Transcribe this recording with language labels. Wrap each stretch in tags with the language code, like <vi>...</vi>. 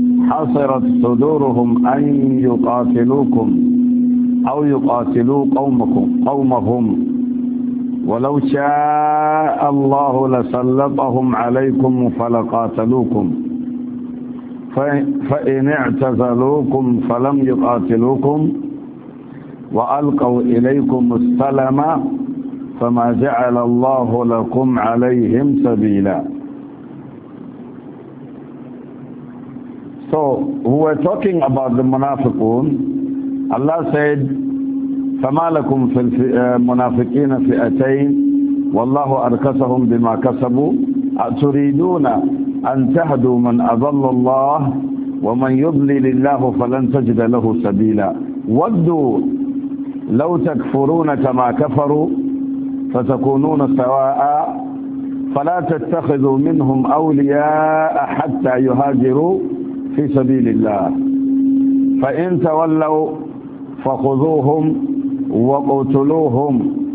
<ar>حصرت صدورهم أن يقاتلوكم أو يقاتلوا قومهم ولو شاء الله لسلطهم عليكم فلقاتلوكم فإن اعتزلوكم فلم يقاتلوكم وألقوا إليكم السلم فما جعل الله لكم عليهم سبيلا.</ar> <en>So we're talking about the Munafiqun. Allah said,</en> <ar>فما لكم في المنافقين فئتين والله أركسهم بما كسبوا أتريدون أن تهدوا من أضل الله ومن يضلل الله فلن تجد له سبيلا. ودوا لو تكفرون كما كفروا فتكونون سواء فلا تتخذوا منهم أولياء حتى يهاجروا في سبيل الله فإن تولوا فخذوهم وقتلوهم</ar>